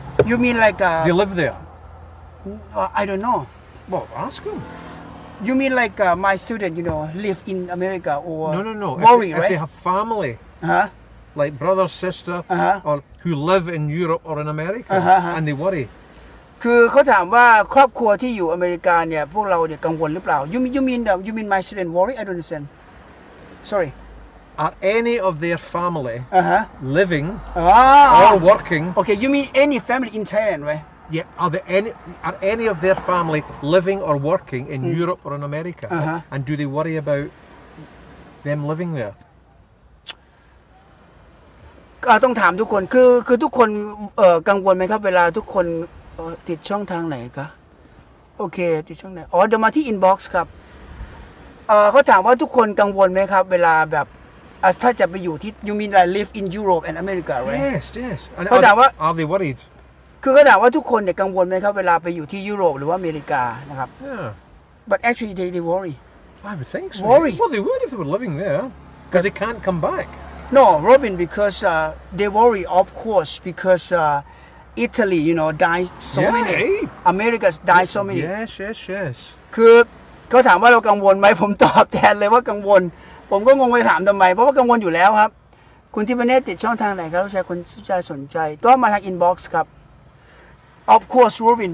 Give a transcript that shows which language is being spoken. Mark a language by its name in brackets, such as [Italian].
[English] You mean like... They live there. I don't know. Well, ask them. You mean like my student, you know, live in America or... No. Worry, if they have family... Huh? like brother, sister, uh-huh. or who live in Europe or in America, uh-huh. and they worry. [Thai] คือเขาถามว่าครอบครัวที่อยู่อเมริกาเนี่ยพวกเราเนี่ยกังวลหรือเปล่า [English] You mean my children worry? I don't understand. Sorry. Are any of their family uh-huh. living oh. or working? Okay, you mean any family in Thailand, right? Yeah, are any of their family living or working in mm. Europe or in America? Uh-huh. And do they worry about them living there? [Thai] ต้องถามทุกคนคือทุกคนกังวลไหมครับเวลาทุกคนติดช่องทางไหนครับโอเคติดช่องไหนอ๋อเดี๋ยวมาที่ inbox ครับเขาถามว่าทุกคนกังวลไหมครับเวลาแบบถ้าจะไปอยู่ที่ [English] you mean like live in Europe and America right? Yes. [Thai] เขาถามว่า [English] are they worried? [Thai] คือก็ถามว่าทุกคนเนี่ยกังวลไหมครับเวลาไปอยู่ที่ยุโรปหรือว่าอเมริกานะครับ [English] Yeah. But actually they worry. I would think so. Worry. Well, they would if they were living there, because they can't come back. No, Robin, because they worry, of course, because Italy, you know, died so yeah. many. America's died so many. Yes. [Thai] คือเขาถามว่าเรากังวลไหมผมตอบแทนเลยว่ากังวลผมก็งงไปถามทำไมเพราะว่ากังวลอยู่แล้วครับคุณที่ประเทศติดช่องทางไหนครับลูกชายคนสนใจก็มาทางอินบ็อกซ์ครับ [English] Of course, Robin.